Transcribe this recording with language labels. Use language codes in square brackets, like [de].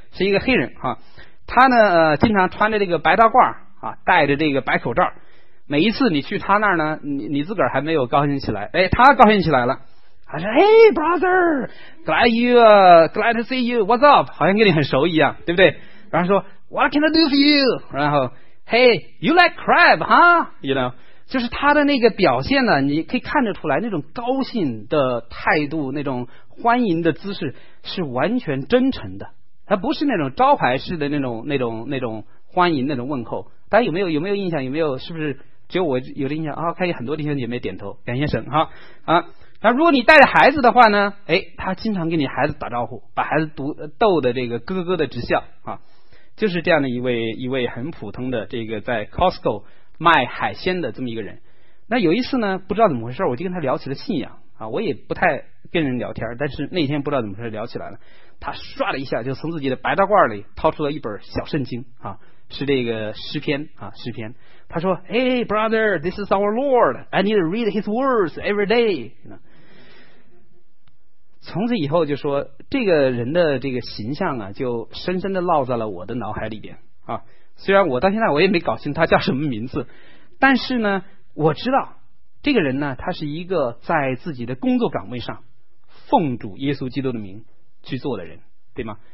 [zh] 是一个黑人啊，他呢经常穿着这个白大褂啊，戴着这个白口罩。每一次你去他那儿呢，你自个儿还没有高兴起来，哎，他高兴起来了，他说 ： [en] “Hey brother, glad to see you, what's up？” [zh] 好像跟你很熟一样，对不对？然后说 ： [en] “What can I do for you？” [zh] 然后 ： [en] “Hey, you like crab, huh？” [zh] You know， 就是他的那个表现呢，你可以看得出来那种高兴的态度，那种欢迎的姿势是完全真诚的。他不是那种招牌式的那种欢迎那种问候，大家有没有印象？有没有？是不是只有我有的印象啊？看见很多弟兄姐妹点头，感谢神哈啊！那如果你带着孩子的话呢？哎，他经常跟你孩子打招呼，把孩子逗的这个咯咯的直笑啊！就是这样的一位很普通的这个在 Costco 卖海鲜的这么一个人。那有一次呢，不知道怎么回事，我就跟他聊起了信仰啊，我也不太跟人聊天，但是那天不知道怎么回事聊起来了，他刷了一下就从自己的白大褂里掏出了一本小圣经啊，是这个诗篇啊，诗篇。 [en] 他说 ：“Hey brother, this is our Lord. I need to read His words every day.” [zh] 从此以后就说这个人的这个形象啊，就深深的烙在了我的脑海里边啊。虽然我到现在我也没搞清他叫什么名字，但是呢，我知道这个人呢，他是一个在自己的工作岗位上奉主耶稣基督的名去做的人，对吗？